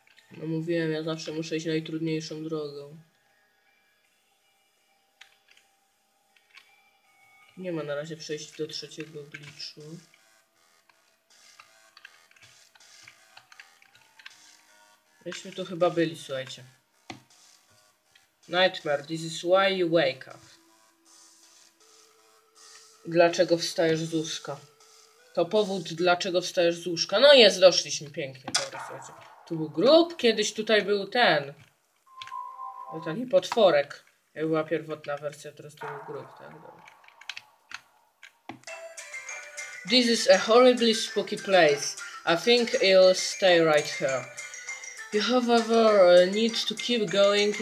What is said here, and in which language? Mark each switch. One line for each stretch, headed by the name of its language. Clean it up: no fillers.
Polish: No mówiłem, ja zawsze muszę iść najtrudniejszą drogą. Nie ma na razie przejść do trzeciego obliczu. Myśmy tu chyba byli, słuchajcie.
English: Nightmare, this is why you wake up.
Polish: Dlaczego wstajesz z łóżka? To powód, dlaczego wstajesz z łóżka. No jest, doszliśmy pięknie. Dobra, słuchajcie. Tu był grób, kiedyś tutaj był ten. Ten potworek. Jak była pierwotna wersja, teraz to był grób, tak? Dobra.
English: This is a horribly spooky place. I think I'll stay right here. You however need to keep going.